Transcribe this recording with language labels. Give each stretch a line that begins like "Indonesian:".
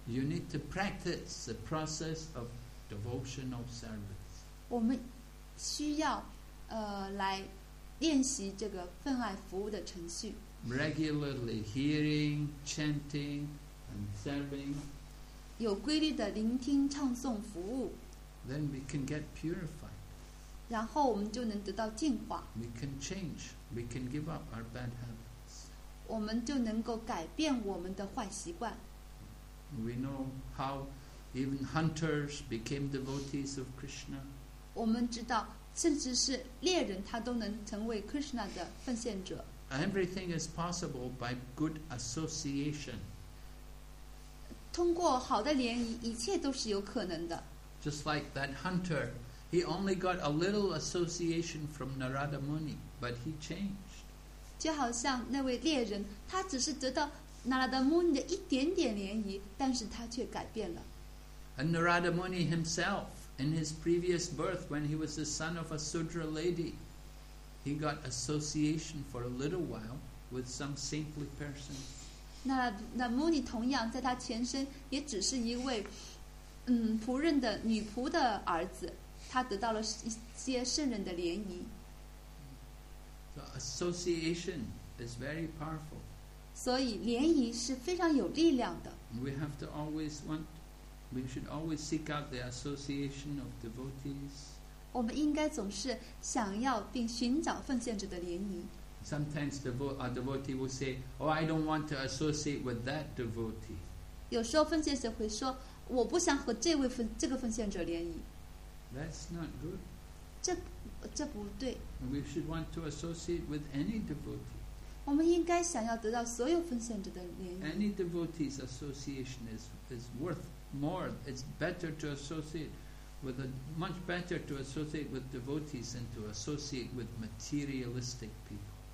English: You need to practice the process of devotional service.
Chinese: 我们需要来练习这个分外服务的程序。
English: Regularly hearing, chanting, and serving.
Chinese: 有规律的聆听、唱诵、服务。
English: Then we can get purified.
Chinese: 然后我们就能得到净化。
English: We can change. We can give up our bad habits.
Chinese: 我们就能够改变我们的坏习惯。
English: We know how even hunters became devotees of Krishna.
Chinese: 我们知道，甚至是猎人，他都能成为 Krishna 的奉献者。
English: Everything is possible by good association.
Chinese: 通过好的联谊，一切都是有可能的。
English: Just like that hunter, he only got a little association from Narada Muni, but he changed.
Chinese: 就好像那位猎人，他只是得到 Narada Muni 的一点点联谊，但是他却改变了。
English: And Narada Muni himself, in his previous birth, when he was the son of a Sudra lady, he got association for a little while with some saintly person.
Chinese: Narada Muni 同样在他前身也只是一位仆人的女仆的儿子，他得到了一些圣人的联谊。
English: So association is very powerful.
Chinese: 所以联谊是非常有力量的。
English: We have to always want, we should always seek out the association of devotees.
Chinese: 我们应该总是想要并寻找奉献者的联谊。
English: Sometimes a devotee will say, "Oh, I don't want to associate with that devotee."
Chinese: 有时候奉献者会说，我不想和这个奉献者联谊。
English: That's not good.
Chinese: 这不对。
English: We should want to associate with any devotee.
Chinese: 我们应该想要得到所有奉献者的联谊。
English: Any devotee's association is worth more. It's better to associate with much better to associate with devotees than to associate with materialistic people.